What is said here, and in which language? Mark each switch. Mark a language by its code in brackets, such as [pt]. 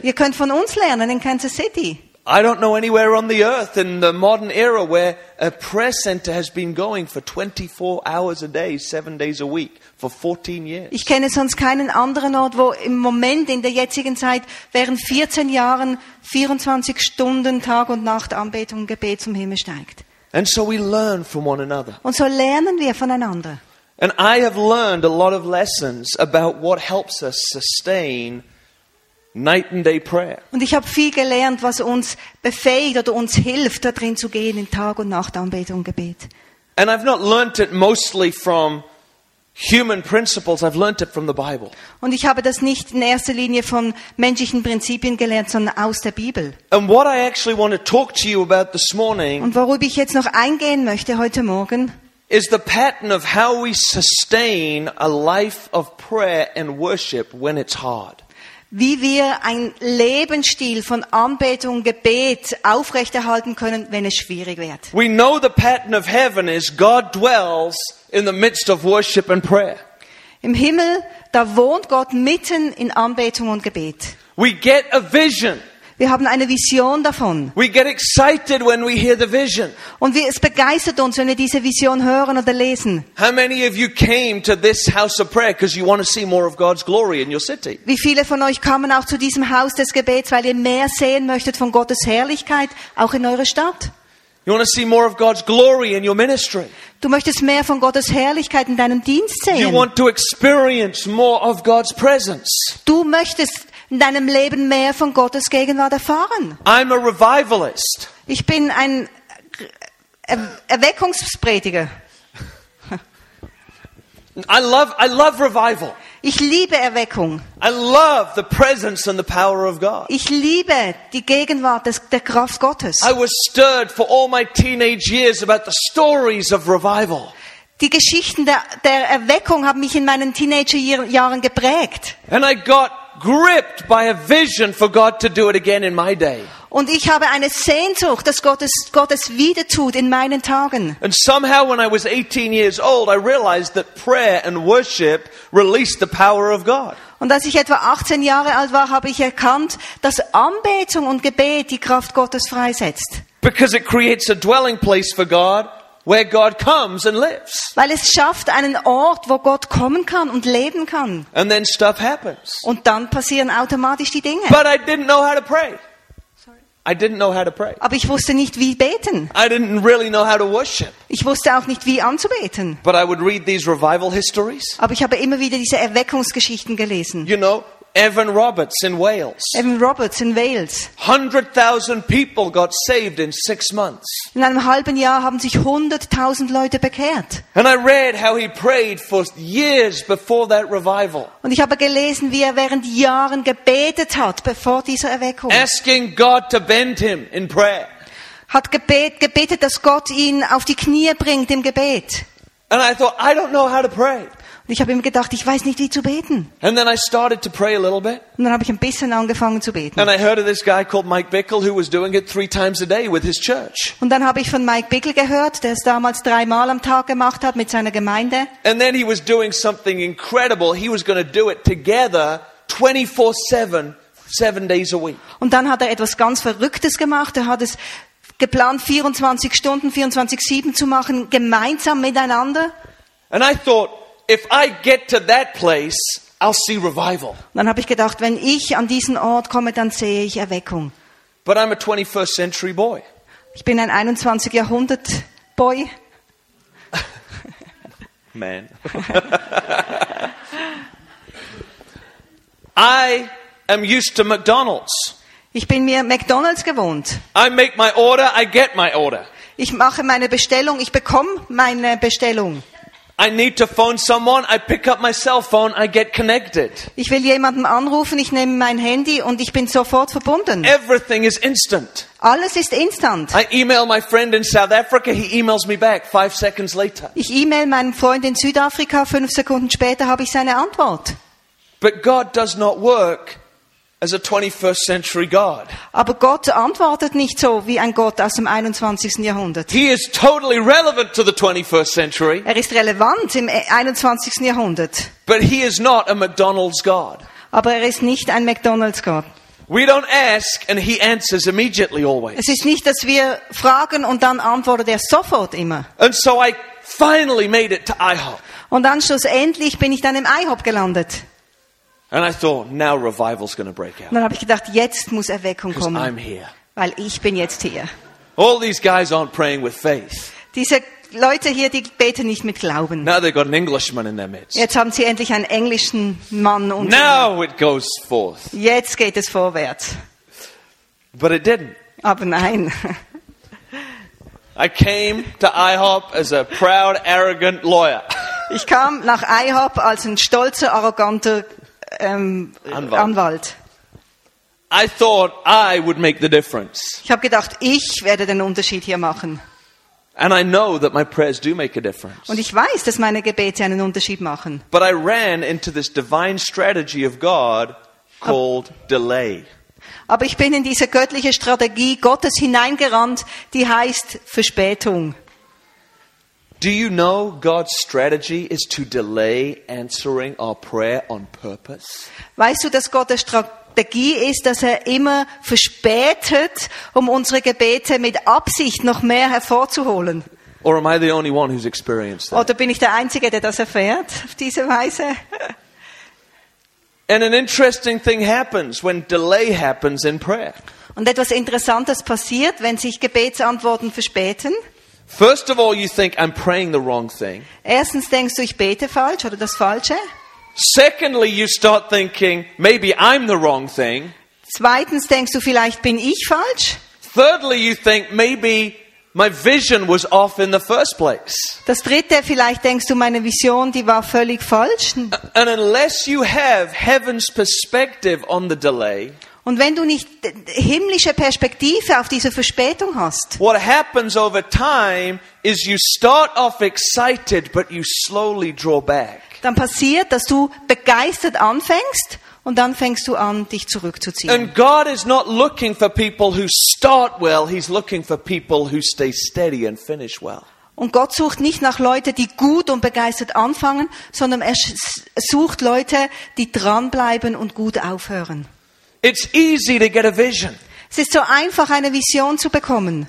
[de] Ihr könnt von uns lernen in Kansas City. [en] I don't know anywhere on the earth in the modern era where a prayer center has been going for 24 hours a day, 7 days a week. For 14 years. [de] Ich kenne sonst keinen anderen Ort, wo im Moment in der jetzigen Zeit während 14 Jahren 24 Stunden Tag und Nacht Anbetung und Gebet zum Himmel steigt. [en] And so we learn from one another. [de] Und so lernen wir voneinander. [en] And I have learned a lot of lessons about what helps us sustain night and day prayer. [de] Und ich habe viel gelernt, was uns befähigt oder uns hilft, da drin zu gehen in Tag und Nacht Anbetung und Gebet. [en] And I've not learned it mostly from human principles, I've learned it from the Bible. [de] Und ich habe das nicht in erster Linie von menschlichen Prinzipien gelernt, sondern aus der Bibel. [en] And what I actually want to talk to you about this morning. [de] Und worüber ich jetzt noch eingehen möchte heute Morgen. [en] Is the pattern of how we sustain a life of prayer and worship when it's hard. [de] Wie wir einen Lebensstil von Anbetung und Gebet aufrechterhalten können, wenn es schwierig wird. [en] We know the pattern of heaven is God dwells in the midst of worship and prayer. [de] Im Himmel, da wohnt Gott mitten in Anbetung und Gebet. [en] We get a vision. [de] Wir haben eine Vision davon. [en] We get excited when we hear the vision. [de] Und es begeistert uns, wenn wir diese Vision hören oder lesen. [en] How many of you came to this house of prayer because you want to see more of God's glory in your city? [de] Wie viele von euch kommen auch zu diesem Haus des Gebets, weil ihr mehr sehen möchtet von Gottes Herrlichkeit auch in eurer Stadt? [en] You want to see more of God's glory in your ministry. [de] Du möchtest mehr von Gottes Herrlichkeit in deinem Dienst sehen. [en] You want to experience more of God's presence. [de] Du möchtest in deinem Leben mehr von Gottes Gegenwart erfahren. [en] I'm a revivalist. [de] Ich bin ein Erweckungsprediger. [en] I love revival. [de] Ich liebe Erweckung. [en] I love the presence and the power of God. [de] Ich liebe die Gegenwart der Kraft Gottes. [en] I was stirred for all my teenage years about the stories of revival. [de] Die Geschichten der Erweckung haben mich in meinen Teenagerjahren geprägt. [en] And I got gripped by a vision for God to do it again in my day. [de] Und ich habe eine Sehnsucht, dass Gottes wieder tut in meinen Tagen. [en] And somehow when I was 18 years old, I realized that prayer and worship released the power of God. [de] Und als ich etwa 18 Jahre alt war, habe ich erkannt, dass Anbetung und Gebet die Kraft Gottes freisetzt. [en] Because it creates a dwelling place for God where God comes and lives. [de] Weil es schafft einen Ort, wo Gott kommen kann und leben kann. [en] And then stuff happens. [de] Und dann passieren automatisch die Dinge. [en] But I didn't know how to pray. I didn't know how to pray. [de] Aber ich wusste nicht, wie beten. [en] I didn't really know how to worship. [de] Ich wusste auch nicht, wie anzubeten. [en] But I would read these revival histories. [de] Aber ich habe immer wieder diese Erweckungsgeschichten gelesen. [en] You know, Evan Roberts in Wales. [de] Evan Roberts in Wales. [en] 100,000 people got saved in 6 months. [de] In einem halben Jahr haben sich 100,000 Leute bekehrt. [en] And I read how he prayed for years before that revival. [de] Und ich habe gelesen, wie während Jahren gebetet hat, bevor dieser Erweckung. [en] Asking God to bend him in prayer. [de] Hat gebetet, dass Gott ihn auf die Knie bringt im Gebet. [en] And I thought, I don't know how to pray. [de] Ich habe ihm gedacht, ich weiß nicht, wie zu beten. [en] And then I started to pray a little bit. [de] Und dann habe ich ein bisschen angefangen zu beten. [en] And I heard of this guy called Mike Bickle, who was doing it 3 times a day with his church. [de] Und dann habe ich von Mike Bickle gehört, der es damals 3 Mal am Tag gemacht hat mit seiner Gemeinde. [en] And then he was doing something incredible. He was going to do it together 24/7, 7 days a week. [de] Und dann hat er etwas ganz Verrücktes gemacht. Er hat es geplant, 24 Stunden, 24/7 zu machen, gemeinsam miteinander. [en] And I thought, if I get to that place, I'll see revival. [de] Dann habe ich gedacht, wenn ich an diesen Ort komme, dann sehe ich Erweckung. [en] But I'm a 21st century boy. [de] Ich bin ein 21. Jahrhundert Boy. [en] Man. I am used to McDonald's. [de] Ich bin mir McDonald's gewohnt. [en] I make my order, I get my order. [de] Ich mache meine Bestellung, ich bekomme meine Bestellung. [en] I need to phone someone, I pick up my cell phone, I get connected. [de] Ich will jemanden anrufen, ich nehme mein Handy und ich bin sofort verbunden. [en] Everything is instant. [de] Alles ist instant. [en] I email my friend in South Africa, he emails me back 5 seconds later. [de] Ich email meinen Freund in Südafrika, 5 Sekunden später habe ich seine Antwort. [en] But God does not work as a 21st century God. [de] Aber Gott antwortet nicht so wie ein Gott aus dem 21. Jahrhundert. [en] He is totally relevant to the 21st century. [de] Er ist relevant im 21. Jahrhundert. [en] But he is not a McDonald's God. [de] Aber er ist nicht ein McDonald's Gott. [en] We don't ask and he answers immediately always. [de] Es ist nicht, dass wir fragen und dann antwortet er sofort immer. [en] And so I finally made it to IHOP. [de] Und dann schlussendlich bin ich dann im IHOP gelandet. [en] And I thought, now revival's going to break out. [de] Dann habe ich gedacht, jetzt muss Erweckung kommen. [en] Because I'm here. [de] Weil ich bin jetzt hier. [en] All these guys aren't praying with faith. [de] Diese Leute hier, die beten nicht mit Glauben. [en] Now they've got an Englishman in their midst. [de] Jetzt haben sie endlich einen englischen Mann unter ihnen. [en] Now it goes forth. [de] Jetzt geht es vorwärts. [en] But it didn't. [de] Aber nein. [en] I came to IHOP as a proud, arrogant lawyer. [de] Ich kam nach IHOP als ein stolzer, arroganter Anwalt. [en] I thought I would make the difference. [de] Ich habe gedacht, ich werde den Unterschied hier machen. [en] And I know that my prayers do make a difference. [de] Und ich weiß, dass meine Gebete einen Unterschied machen. [en] But I ran into this divine strategy of God called delay. [de] Aber ich bin in diese göttliche Strategie Gottes hineingerannt, die heißt Verspätung. [en] Do you know God's strategy is to delay answering our prayer on purpose? [de] Weißt du, dass Gottes Strategie ist, dass er immer verspätet, um unsere Gebete mit Absicht noch mehr hervorzuholen? [en] Or am I the only one who's experienced that? [de] Oder bin ich der Einzige, der das erfährt auf diese Weise? [en] And an interesting thing happens when delay happens in prayer. [de] Und etwas Interessantes passiert, wenn sich Gebetsantworten verspäten. [en] First of all, you think I'm praying the wrong thing. [de] Erstens denkst du, ich bete falsch oder das Falsche. [en] Secondly, you start thinking maybe I'm the wrong thing. [de] Zweitens denkst du, vielleicht bin ich falsch. [en] Thirdly, you think maybe my vision was off in the first place. [de] Das Dritte, vielleicht denkst du, meine Vision, die war völlig falsch. [en] And unless you have heaven's perspective on the delay. [de] Und wenn du nicht himmlische Perspektive auf diese Verspätung hast. [en] What happens over time is you start off excited, but you slowly draw back. [de] Dann passiert, dass du begeistert anfängst und dann fängst du an, dich zurückzuziehen. [en] And God is not looking for people who start well, he's looking for people who stay steady and finish well. [de] Und Gott sucht nicht nach Leuten, die gut und begeistert anfangen, sondern er sucht Leute, die dranbleiben und gut aufhören. [en] It's easy to get a vision. [de] Es ist so einfach, eine Vision zu bekommen.